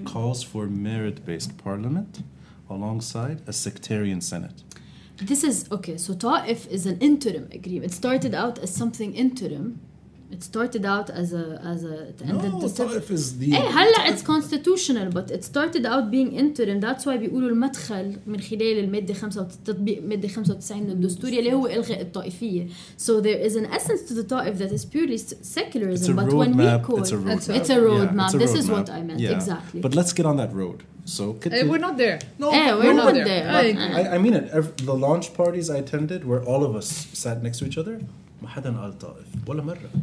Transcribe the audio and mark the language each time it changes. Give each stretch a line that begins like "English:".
English: It calls for merit-based parliament alongside a sectarian senate. This is, okay, so Ta'if is an interim agreement. It started out as something interim. It started out it's constitutional, but it started out being interim. That's why
Arabic: بيقولوا المدخل من خلال المادة 95 تطبيق المادة 95 للدستور اللي هو إلغاء الطائفية.
English: So there is an essence to the Ta'if that is purely secularism. It's a roadmap. It's a roadmap. This is what I meant. Yeah. Exactly. But let's get on that road. So we're not there. No, we're not there. I mean it. The launch parties I attended, where all of us sat next to each other,
Arabic: ما حدا قال طائف ولا مرة.